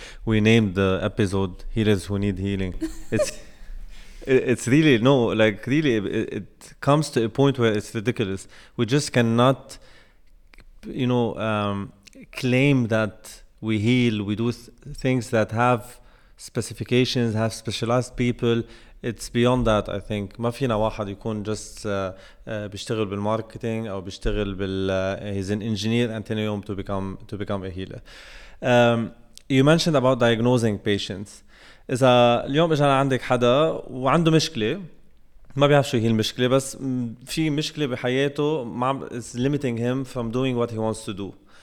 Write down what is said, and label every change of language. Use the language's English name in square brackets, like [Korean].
[English] we named the episode Healers Who Need Healing. It's really, no, like, really, it comes to a point where it's ridiculous. We just cannot, you know, claim that we heal, we do things that have specifications, have specialized people. It's beyond that, I think. [Arabic] ما فينا واحد يكون just بيشتغل بالماركتينج أو بيشتغل بال... [English] he's an engineer and then يوم to become a healer. You mentioned about diagnosing patients. [Arabic] إذا اليوم إجانا عندك حدا وعنده مشكلة, ما بيعرف شو هي المشكلة, بس في مشكلة بحياته ما [English] is limiting him from doing what he wants to do.